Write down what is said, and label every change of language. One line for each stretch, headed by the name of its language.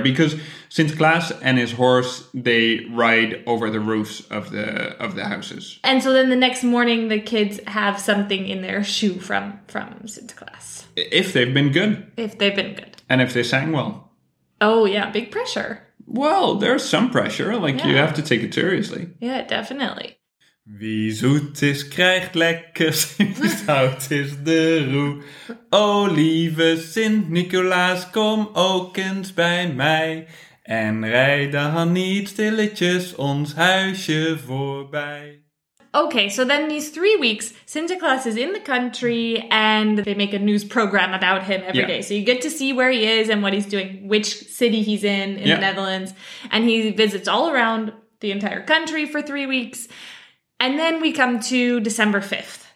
English: Because Sinterklaas and his horse, they ride over the roofs of the houses. And so then the next morning, the kids have something in their shoe from Sinterklaas. If they've been good. If they've been good. And if they sang well. Oh, yeah. Big pressure. Well, there's some pressure. Like, yeah. You have to take it seriously. Yeah, definitely.
Dutch: Wie zoet is, krijgt lekkers. Wie zout is, de roe. O, lieve Sint-Nicolaas, kom ook eens bij mij. En rijd dan niet stilletjes ons huisje voorbij.
English: Okay, so then these 3 weeks, Sinterklaas is in the country and they make a news program about him every day. So you get to see where he is and what he's doing, which city he's in the Netherlands. And he visits all around the entire country for 3 weeks. And then we come to December 5th.